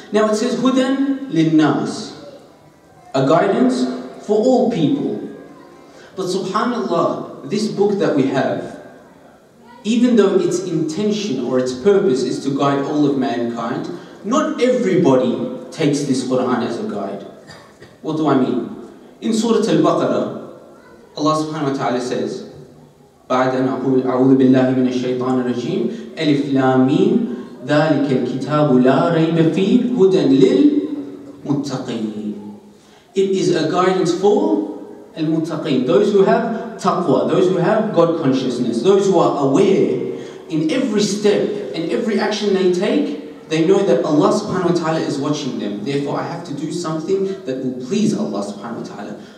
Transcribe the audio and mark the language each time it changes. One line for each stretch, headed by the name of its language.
English: Now it says,
Arabic: هُدًى لِلنَّاسِ,
English: a guidance for all people. But subhanAllah, this book that we have, even though its intention or its purpose is to guide all of mankind, not everybody takes this Qur'an as a guide. What do I mean? In Surah Al-Baqarah, Allah subhanahu wa ta'ala says,
Arabic: بعد أن أقول أعوذ بالله من الشيطان الرجيم ألف لام ميم ذلك الكتاب لا ريب فيه هدى للمتقين.
English: It is a guidance for المتقين, those who have taqwa, those who have God consciousness, those who are aware in every step and every action they take, they know that Allah subhanahu wa ta'ala is watching them. Therefore, I have to do something that will please Allah subhanahu wa ta'ala.